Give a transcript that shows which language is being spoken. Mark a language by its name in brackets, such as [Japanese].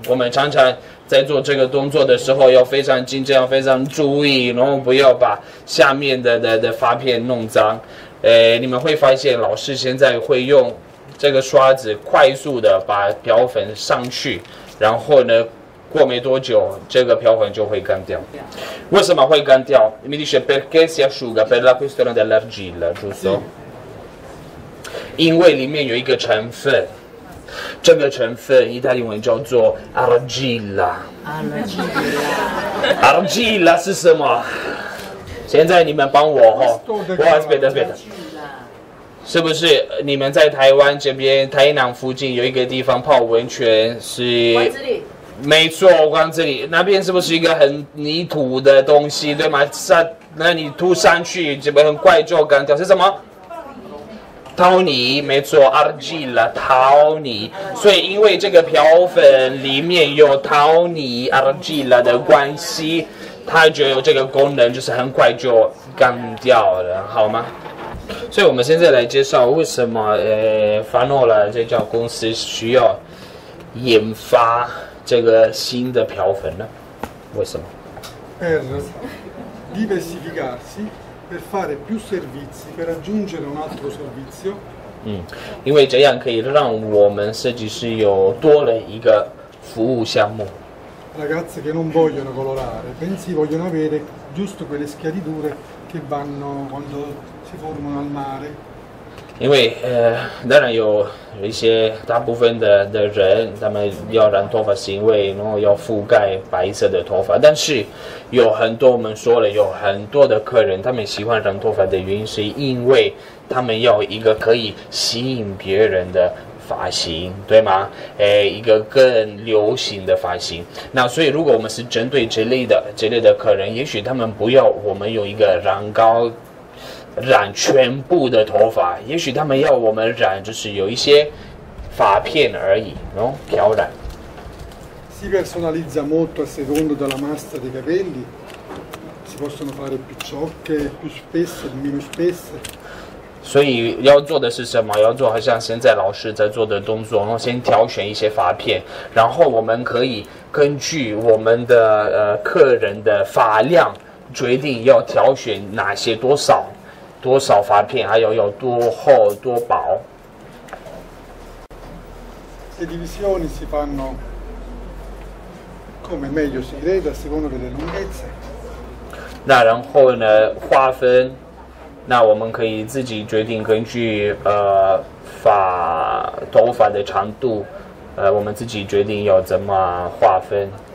[Chinese] 我们常常在做这个动作的时候要非常精准，非常注意，然后不要把下面的发片弄脏。你们会发现老师现在会用这个刷子快速的把漂粉上去，然后呢过没多久，这个漂粉就会干掉。为什么会干掉？你们说 [Italian] perché si asciuga per la questione dell'argilla, giusto? [Chinese] 因为里面有一个成分。这个成分意大利文叫做 argilla。 argilla 是什么？现在你们帮我哈，我这边是不是你们在台湾这边台南附近有一个地方泡温泉是？没错，光这里那边是不是一个很泥土的东西，对吗？那你涂上去，这边很怪就干掉，是什么？陶泥，没错 ，argilla， 陶泥。所以因为这个漂粉里面有陶泥 ，argilla 的关系，它就有这个功能，就是很快就干掉了，好吗？所以我们现在来介绍为什么法诺拉这家公司需要研发这个新的漂粉呢？为什么 [Italian] ？Per diversificarsi per fare più servizi per aggiungere un altro servizio。 [Chinese] 因为这样可以让我们设计师有多了一个服务项目。 [Italian] Ragazze che non vogliono colorare, bensì vogliono avere giusto quelle schiariture che vanno quando si formano al mare。 [Chinese] 因为当然有一些大部分的人，他们要染头发是因为然后要覆盖白色的头发，但是有很多我们说了，有很多的客人他们喜欢染头发的原因，是因为他们要一个可以吸引别人的发型，对吗？一个更流行的发型。那所以如果我们是针对这类的客人，也许他们不要我们用一个染膏染全部的头发，也许他们要我们染就是有一些发片而已，漂染。 [Italian] Si personalizza molto a seconda della massa dei capelli, si possono fare più ciocche, più spesse, meno spesse。 [Chinese] 所以要做的是什么？要做好像现在老师在做的动作，然后先挑选一些发片，然后我们可以根据我们的客人的发量决定要挑选哪些多少发片，还有要多厚多薄。 [Italian] Le divisioni si fanno come meglio si creda secondo delle lunghezze。 [Chinese] 那然后呢？划分，那我们可以自己决定根据头发的长度，我们自己决定要怎么划分。